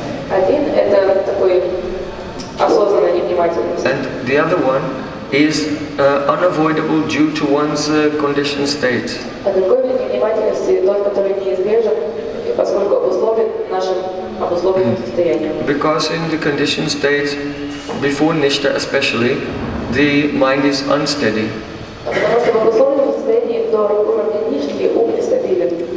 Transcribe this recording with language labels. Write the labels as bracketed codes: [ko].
[ru] Один это такой осознанный невнимательность. [en] And the other one is unavoidable due to one's conditioned state. [ru] А другой вид невнимательности тот, который неизбежен, поскольку обусловлен нашим обусловленным состоянием. [en] Because in the conditioned state, before nishtha especially, the mind is unsteady. [ru] Потому что в обусловленном состоянии до уровня нишки ум нестабилен.